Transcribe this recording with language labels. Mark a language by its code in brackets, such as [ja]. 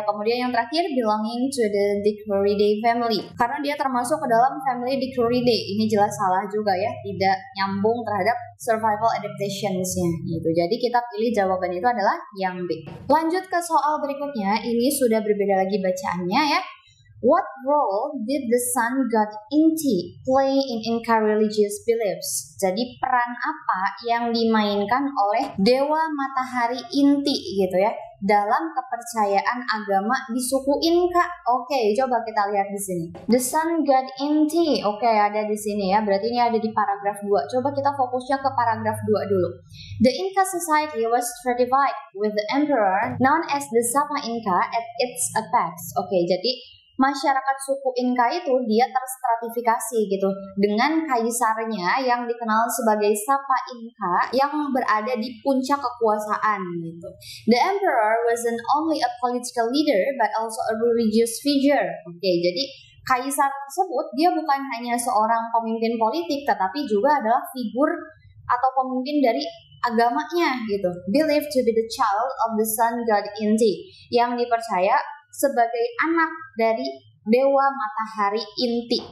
[id] Kemudian yang terakhir [en] belonging to the Dicroridae family, [id] karena dia termasuk ke dalam family Dicroridae, ini jelas salah juga ya, tidak nyambung terhadap survival adaptationsnya gitu. Jadi kita pilih jawaban itu adalah yang B. Lanjut ke soal berikutnya, ini sudah berbeda lagi bacaannya ya. [en] What role did the sun god Inti play in Inca religious beliefs? [id] Jadi peran apa yang dimainkan oleh dewa matahari Inti gitu ya dalam kepercayaan agama di suku Inca? Oke, okay, coba kita lihat di sini. [en] The sun god Inti. [id] Oke, okay, ada di sini ya. Berarti ini ada di paragraf 2. Coba kita fokusnya ke paragraf 2 dulu. [en] The Inca society was stratified with the emperor known as the Sama Inca at its apex. [id] Oke, okay, jadi masyarakat suku Inca itu dia terstratifikasi gitu dengan kaisarnya yang dikenal sebagai Sapa Inca yang berada di puncak kekuasaan gitu. [en] The emperor wasn't only a political leader but also a religious figure. [id] Okay, jadi kaisar tersebut dia bukan hanya seorang pemimpin politik tetapi juga adalah figur atau pemimpin dari agamanya gitu. [en] Believed to be the child of the sun god Inti, [id] yang dipercaya sebagai anak dari dewa matahari Inti.